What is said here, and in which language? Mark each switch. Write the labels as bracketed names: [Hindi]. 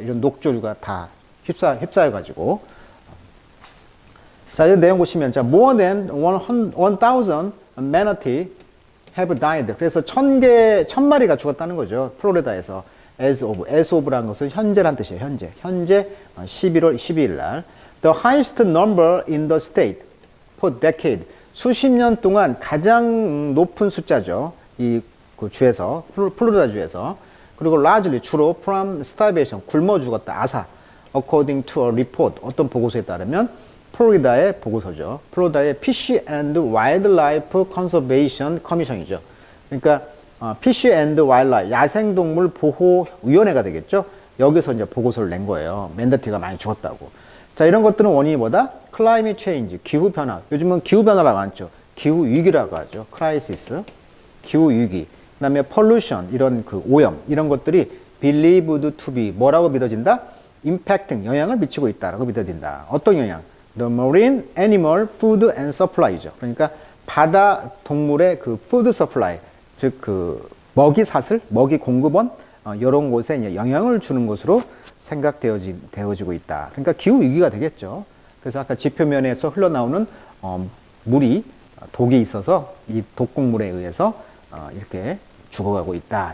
[Korean] 이런 녹조류가 다 휩싸여가지고. 자, 이 내용 보시면, 자, [English] more than 1,000 manatee have died. [Korean] 그래서 천 마리가 죽었다는 거죠. 플로리다에서. As of란 것은 현재란 뜻이에요. 현재. 현재 11월 12일 날. [English] The highest number in the state for decade. [Korean] 수십 년 동안 가장 높은 숫자죠. 이 그 주에서. 플로리다 주에서. [English] 그리고 largely 주로 from starvation. [Korean] 굶어 죽었다. 아사. [English] According to a report. [Korean] 어떤 보고서에 따르면. 플로리다의 보고서죠. 플로리다의 Fish and Wildlife Conservation Commission이죠. 그러니까 Fish and Wildlife 야생동물 보호 위원회가 되겠죠. 여기서 이제 보고서를 낸 거예요. 맨데티가 많이 죽었다고. 자, 이런 것들은 원인이 뭐다? Climate change, 기후 변화. 요즘은 기후 변화라고 안 쳐. 기후 위기라고 하죠. Crisis, 기후 위기. 그다음에 pollution, 이런 그 오염 이런 것들이 [English] believed to be [Korean] 뭐라고 믿어진다? Impacting, 영향을 미치고 있다라고 믿어진다. 어떤 영향? [English] The marine animal food and supply죠. [Korean] 그러니까 바다 동물의 그 food supply, 즉 그 먹이 사슬, 먹이 공급원 이런 곳에 이제 영향을 주는 것으로 생각되어지고 있다. 그러니까 기후 위기가 되겠죠. 그래서 아까 지표면에서 흘러나오는 물이 독이 있어서 이 독극물에 의해서 이렇게 죽어가고 있다.